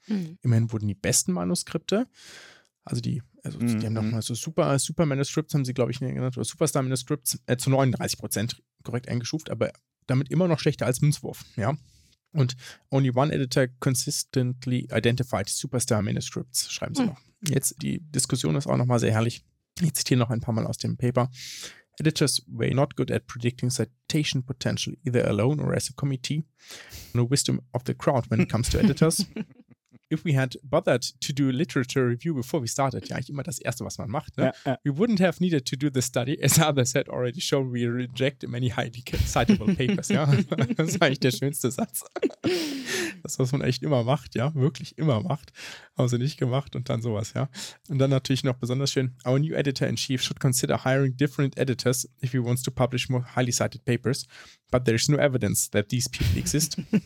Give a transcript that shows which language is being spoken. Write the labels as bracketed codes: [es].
[de] Immerhin wurden die besten Manuskripte, also die, also die haben nochmal so Super Manuscripts, haben sie, glaube ich, genannt, oder Superstar Manuscripts, zu 39% korrekt eingestuft, aber damit immer noch schlechter als Münzwurf, ja. Und [en] only one editor consistently identified superstar manuscripts, [de] schreiben sie noch. Jetzt, die Diskussion ist auch nochmal sehr herrlich. Ich zitiere noch ein paar Mal aus dem Paper. [en] Editors were not good at predicting citation potential, either alone or as a committee. No wisdom of the crowd when it comes to editors. If we had bothered to do a literature review before we started, [de] ja, eigentlich immer das Erste, was man macht, ne? [en] We wouldn't have needed to do the study, as others had already shown we reject many highly citable papers, ja. [de] Das ist eigentlich der schönste Satz. Das, was man echt immer macht, ja, wirklich immer macht, haben sie nicht gemacht und dann sowas, ja. Und dann natürlich noch besonders schön, [en] our new editor-in-chief should consider hiring different editors if he wants to publish more highly cited papers, but there is no evidence that these people exist.